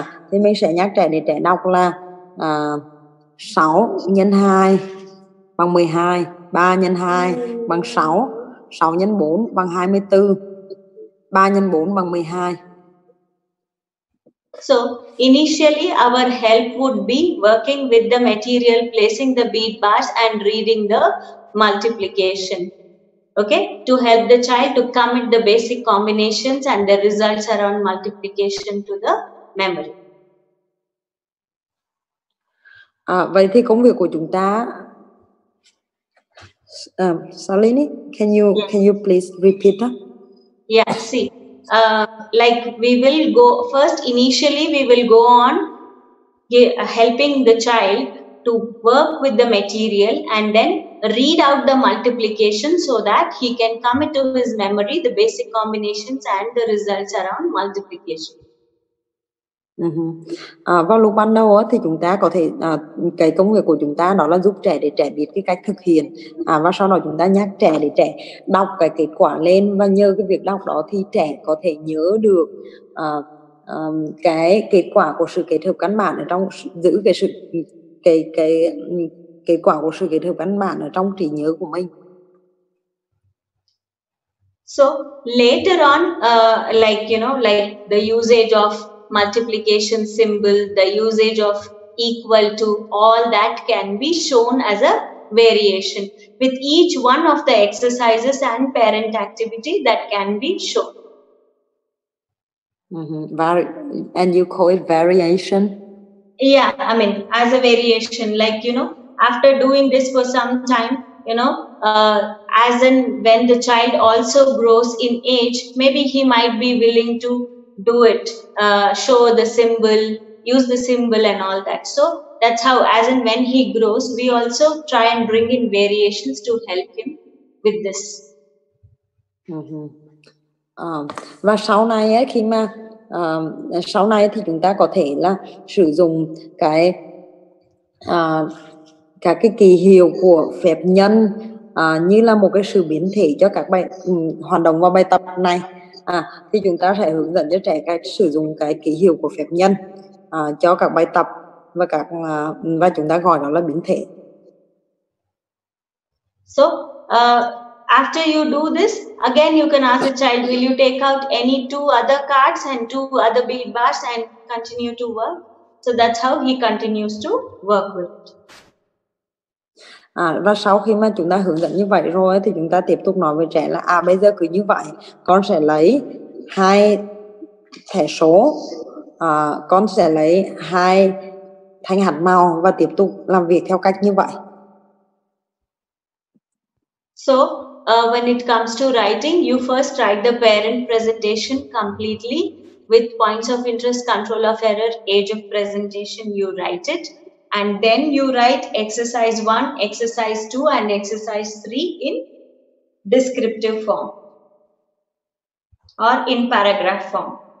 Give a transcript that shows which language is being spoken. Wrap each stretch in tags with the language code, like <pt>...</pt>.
<vi>Thì mình sẽ nhắc trẻ để trẻ đọc là 6 x 2 = 12, 3 x 2 = 6, 6 x 4 = 24, 3 x 4 = 12.</vi> <en>So initially our help would be working with the material, placing the bead bars and reading the multiplication. Okay, to help the child to commit the basic combinations and the results around multiplication to the memory.</en> <vi>Vậy thì công việc của chúng ta</vi> <en>Salini, can you can you please repeat that? Yeah, see, like we will go first, initially we will go on helping the child to work with the material and then read out the multiplication so that he can come into his memory the basic combinations and the results around multiplication.</en> <vi>Vào lúc ban đầu thì chúng ta có thể cái công việc của chúng ta đó là giúp trẻ để trẻ biết cái cách thực hiện và sau đó chúng ta nhắc trẻ để trẻ đọc cái kết quả lên và nhờ cái việc đọc đó thì trẻ có thể nhớ được cái kết quả của sự kết hợp căn bản ở trong giữ cái sự cái kết quả của sự kết hợp căn bản ở trong trí nhớ của mình.</vi> <en>So later on like you know like the usage of multiplication symbol, the usage of equal to, all that can be shown as a variation with each one of the exercises and parent activity that can be shown. And you call it variation? Yeah, I mean, as a variation, like, you know, after doing this for some time, you know, as in when the child also grows in age, maybe he might be willing to do it, show the symbol, use the symbol and all that. So that's how, as in when he grows, we also try and bring in variations to help him with this.</en> <vi>Và sau này ấy, khi mà sau này thì chúng ta có thể là sử dụng cái các cái kỳ hiệu của phép nhân như là một cái sự biến thể cho các bài hoạt động vào bài tập này. Thì chúng ta sẽ hướng dẫn cho trẻ cách sử dụng cái ký hiệu của phép nhân cho các bài tập và các và chúng ta gọi nó là biến thể.</vi> <en>So after you do this, again you can ask the child, will you take out any two other cards and two other beadbars and continue to work? So that's how he continues to work with it.</en> <vi>Và sau khi mà chúng ta hướng dẫn như vậy rồi thì chúng ta tiếp tục nói với trẻ là bây giờ cứ như vậy, con sẽ lấy hai thẻ số, con sẽ lấy hai thanh hạt màu và tiếp tục làm việc theo cách như vậy.</vi> <en>So when it comes to writing, you first write the parent presentation completely with points of interest, control of error, age of presentation, you write it. And then you write exercise 1, exercise 2, and exercise 3 in descriptive form or in paragraph form.</en>